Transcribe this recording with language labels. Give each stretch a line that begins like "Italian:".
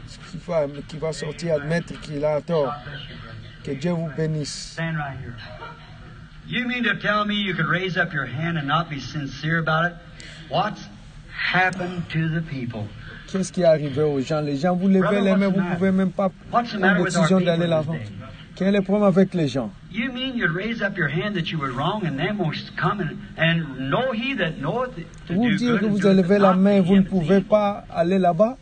French: Ce femme qui va sortir admettre qu'il a tort. Que Dieu vous bénisse.
English: Stand right here. You mean to tell me you could raise up your hand and not be sincere about it? What's happened to the people?
French: Qu'est-ce qui est arrivé aux gens? Les gens, vous levez les mains, vous pouvez même pas prendre décision d'aller l'avant. Quel est le problème avec les gens?
English: You mean you'd raise up your hand that you were wrong and then won't come and know he that knoweth to
French: vous
English: do good?
French: Vous levez la main, vous ne pouvez pas aller là-bas?